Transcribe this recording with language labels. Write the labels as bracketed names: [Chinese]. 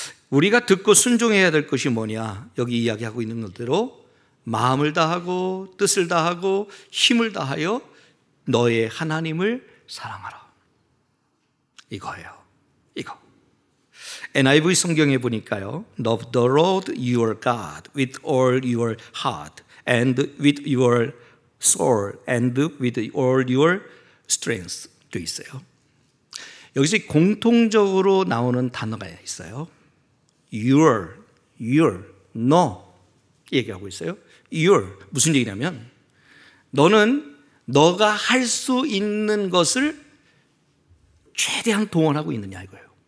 [Korean] 우리가 듣고 순종해야 될 것이 뭐냐? 여기 이야기하고 있는 것대로 마음을 다하고 뜻을 다하고 힘을 다하여 너의 하나님을 사랑하라. 이거예요. 이거. NIV 성경에 보니까요. [English] Love the Lord your God with all your heart and with your soul and with all your strength [Korean] 도 있어요. 여기서 공통적으로 나오는 단어가 있어요. Your, 너 얘기하고 있어요. Your, 무슨 얘기냐면 너는 너가 할 수 있는 것을 최대한 동원하고 있느냐 이거예요.